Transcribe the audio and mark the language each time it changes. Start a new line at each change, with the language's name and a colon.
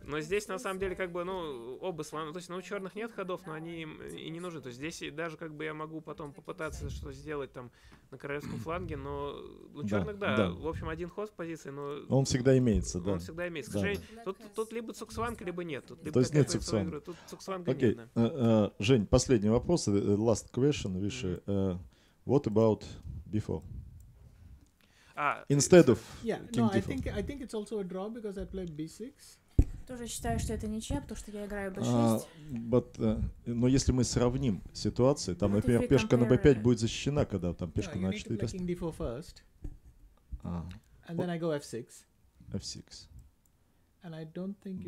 Russian: Но здесь, на самом деле, оба слона... То есть, у черных нет ходов, но они им и не нужны. То есть, здесь даже, я могу потом попытаться что сделать там на королевском фланге, но у черных, да. В общем, один ход в позиции, но... Он всегда имеется, да. Он всегда имеется. Да. Скажи, тут либо цуксванг, либо нет. Тут либо то есть, нет цуксванга. Тут цуксванга нет. Да. Жень, последний вопрос.
English: Last question, Виша. What about before? Instead of King D4. I think it's also a draw because I play B6.
Russian: Тоже считаю, что это ничья, потому что я играю B6. Но если мы сравним ситуации, там, например, пешка на B5 будет защищена, когда там пешка на H4.
English: I play King D4 first. And then I go F6. F6. And I don't think you